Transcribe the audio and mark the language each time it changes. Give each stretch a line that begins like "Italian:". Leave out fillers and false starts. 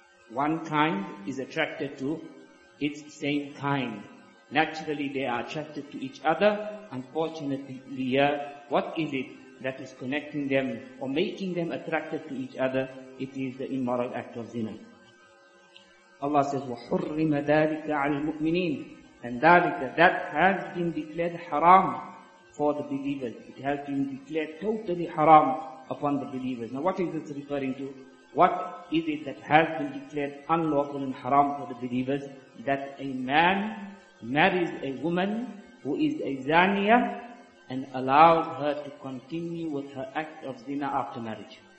English: One kind is attracted to its same kind. Naturally, they are attracted to each other. Unfortunately, what is it that is connecting them or making them attracted to each other? It is the immoral act of zina. Allah says,
Arabic: وَحُرِّمَ ذَلِكَ عَلَى الْمُؤْمِنِينَ.
English: And ذَلِكَ, that has been declared haram for the believers. It has been declared totally haram upon the believers. Now what is this referring to? What is it that has been declared unlawful and haram for the believers? That a man marries a woman who is a zaniya and allows her to continue with her act of zina after marriage.